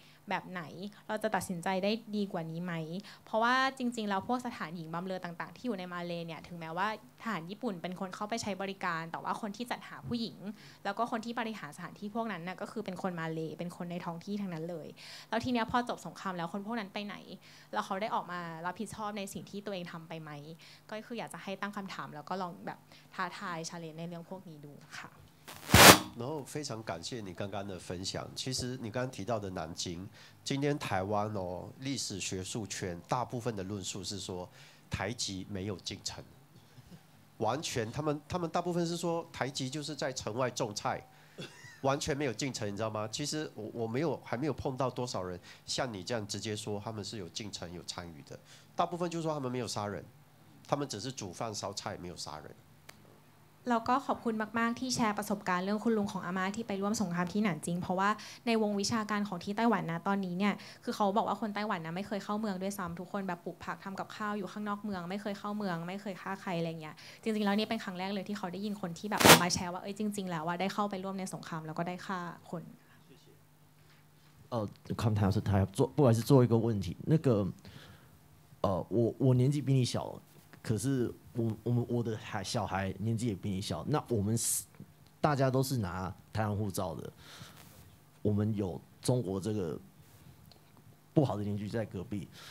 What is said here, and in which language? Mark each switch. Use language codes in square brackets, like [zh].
[th] แบบไหนเราจะตัดสินใจได้ดีกว่านี้ไหมเพราะว่าจริงๆแล้วพวกสถานหญิงบำเรอต่างๆที่อยู่ในมาเลเนี่ยถึงแม้ว่าทหารญี่ปุ่นเป็นคนเข้าไปใช้บริการแต่ว่าคนที่จัดหาผู้หญิงแล้วก็คนที่บริหารสถานที่พวกนั้นน่ะก็คือเป็นคนมาเลเป็นคนในท้องที่ทั้งนั้นเลยแล้วทีเนี้ยพอจบสงครามแล้วคนพวกนั้นไปไหนแล้วเขาได้ออกมารับผิดชอบในสิ่งที่ตัวเองทำไปไหมก็คืออยากจะให้ตั้งคำถามแล้วก็ลองแบบท้าทายชาเลนจ์ในเรื่องพวกนี้ดูค่ะ [zh] 然后非常感谢你刚刚的分享。其实你刚刚提到的南京，今天台湾哦，历史学术圈大部分的论述是说，台籍没有进城，完全他们大部分是说台籍就是在城外种菜，完全没有进城，你知道吗？其实我还没有碰到多少人像你这样直接说他们是有进城有参与的，大部分就是说他们没有杀人，他们只是煮饭烧菜没有杀人。 [th] แล้วก็ขอบคุณมากๆที่แชร์ประสบการณ์เรื่องคุณลุงของอาม่าที่ไปร่วมสงครามที่หนานจิงเพราะว่าในวงวิชาการของที่ไต้หวันนะตอนนี้เนี่ยคือเขาบอกว่าคนไต้หวันนะไม่เคยเข้าเมืองด้วยซ้ำทุกคนแบบปลูกผักทำกับข้าวอยู่ข้างนอกเมืองไม่เคยเข้าเมืองไม่เคยฆ่าใครอะไรเงี้ยจริงๆแล้วนี่เป็นครั้งแรกเลยที่เขาได้ยินคนที่แบบมาแชร์ว่าเอ้ยจริงๆแล้วว่าได้เข้าไปร่วมในสงครามแล้วก็ได้ฆ่าคน คำถามสุดท้ายครับ [zh] 不管是做一个问题那个我年纪比你小可是我的小孩年纪也比你小，那我们大家都是拿台湾护照的，我们有中国这个不好的邻居在隔壁。